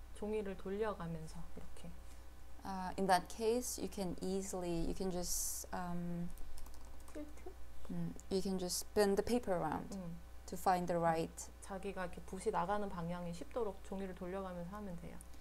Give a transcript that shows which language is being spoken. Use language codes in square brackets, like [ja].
[ko] 종이를 돌려가면서 이렇게. [en] In that case, you can just you can just spin the paper around to find the right. [ko] 자기가 이렇게 붓이 나가는 방향이 쉽도록 종이를 돌려가면서 하면 돼요.